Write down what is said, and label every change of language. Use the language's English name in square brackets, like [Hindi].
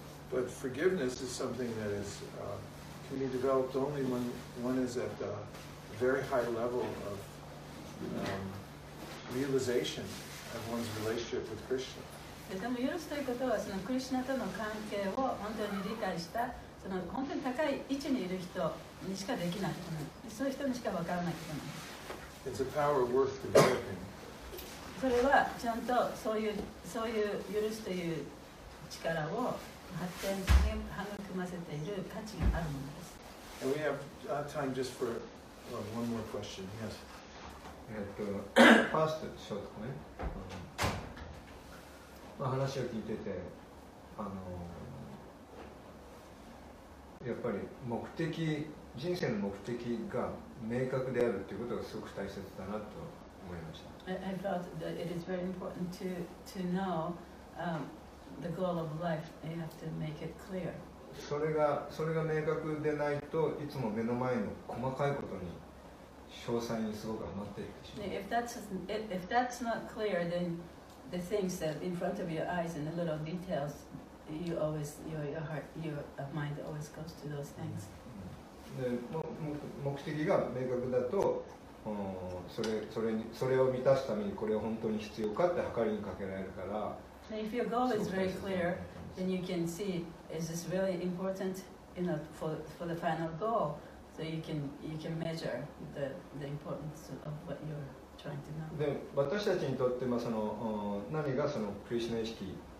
[English] But forgiveness is something that is, can be developed only when one is at a very high level of realization of one's relationship with Krishna. [Japanese] でも許すということは、そのクリシュナとの関係を本当に理解した、その本当に高い位置にいる人にしかできない、そういう人にしか分からないことなんです。 [English] It's a power worth developing. [Japanese] それはちゃんとそういう許すという力を発展に育ませている価値があるものです。 [English] And we have time just for one more question. Yes. [Japanese] first, ショートね。まあ、話を聞いてて、やっぱり目的人生の目的が明確であるということがすごく大切だなと思いました。 [English] I felt that it is very important to know、the goal of life. You have to make it clear. [Japanese] それが明確でないといつも目の前の細かいことに詳細にすごくハマっていってしまう。 [English] If that's not clear, then the things that in front of your eyes and the little details, you always your heart your mind always goes to those things.、うん [Japanese] で目的が明確だと、それを満たすためにこれは本当に必要かって測りにかけられるから。 [English] If your goal is very clear, then you can see is this really important enough for the final goal, so you can measure the importance of what you're trying to know. [Japanese] で私たちにとってまあその何がそのクリシナ意識。